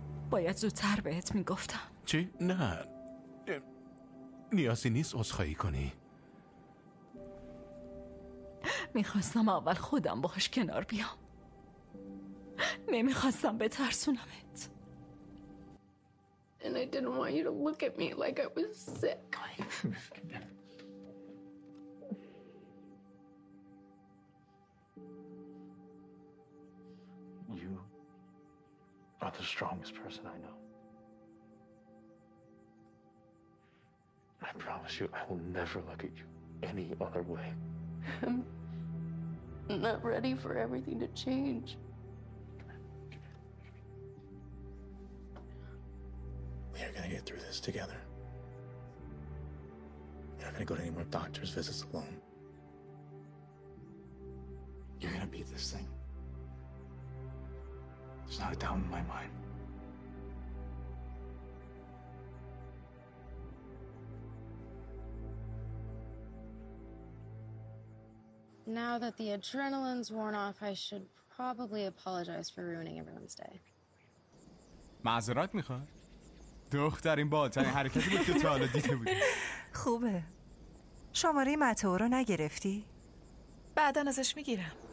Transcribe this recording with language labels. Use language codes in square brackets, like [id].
[fa] باید زودتر بهت میگفتم. چی؟ نه، نیازی نیست عذرخواهی کنی. میخواستم اول خودم باهاش کنار بیام، نمیخواستم بترسونمت. [en] And I didn't want you to look at me like I was sick. You are the strongest person I know. I promise you, I will never look at you any other way. I'm not ready for everything to change. Get through this together. You're not gonna go to any more doctor's visits alone. You're gonna beat this thing. There's not a doubt in my mind. Now that the adrenaline's worn off, I should probably apologize for ruining everyone's day. [fa] معذرت میخوام. دخترین بالترین حرکتی بود که تا حالا دیده بودی. خوبه. شماره متئو رو نگرفتی؟ بعدا ازش میگیرم.